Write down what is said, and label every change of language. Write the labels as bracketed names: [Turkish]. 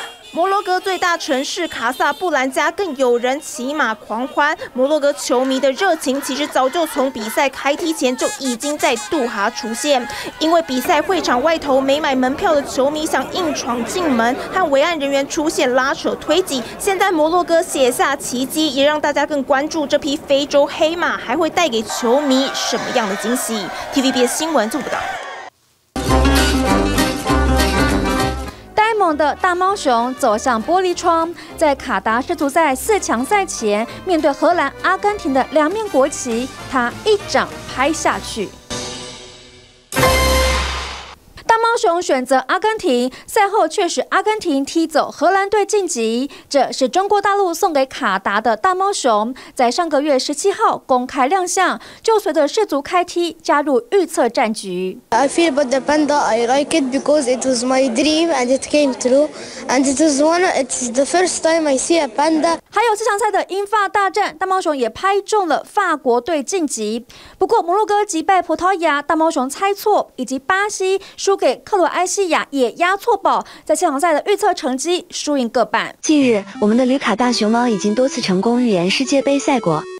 [Chinese] 摩洛哥最大城市卡萨布兰加更有人骑马狂欢，摩洛哥球迷的热情其实早就从比赛开踢前就已经在杜哈出现，因为比赛会场外头没买门票的球迷想硬闯进门，和维安人员出现拉扯推挤，现在摩洛哥写下奇迹，也让大家更关注这匹非洲黑马还会带给球迷什么样的惊喜。 TVBS 新闻做不到的大猫熊走向玻璃窗，在卡达世足赛四强赛前，面对荷兰、阿根廷的两面国旗，他一掌拍下去。大猫熊选择阿根廷，赛后却使阿根廷踢走荷兰队晋级，这是中国大陆送给卡达的大猫熊，在上个月17号公开亮相，就随着世足开踢加入预测战局。 [English] I feel about the panda. I like it because it was my dream and it came true. And it was one. It's the first time I see a panda. [Chinese] 还有四强赛的英法大战，大猫熊也拍中了法国队晋级。不过摩洛哥击败葡萄牙，大猫熊猜错，以及巴西。输给克罗埃西亚也押错宝，在四强赛的预测成绩输赢各半。近日，我们的旅卡大熊猫已经多次成功预言世界杯赛果。